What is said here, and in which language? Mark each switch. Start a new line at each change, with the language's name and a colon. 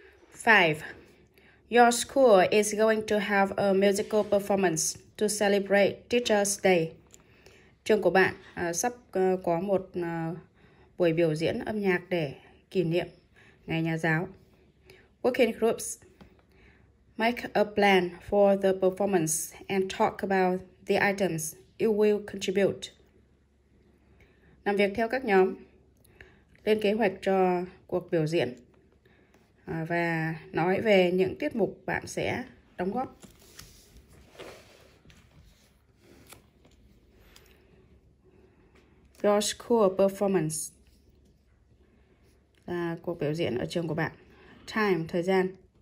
English: Five. Your school is going to have a musical performance to celebrate Teacher's Day.
Vietnamese: Trường của bạn sắp có một buổi biểu diễn âm nhạc để kỷ niệm ngày nhà giáo.
English: Working groups. Make a plan for the performance and talk about the items you will contribute.
Vietnamese: Làm việc theo các nhóm. Lên kế hoạch cho cuộc biểu diễn và nói về những tiết mục bạn sẽ đóng góp.
English: Your school performance
Vietnamese: là cuộc biểu diễn ở trường của bạn. Time, thời gian.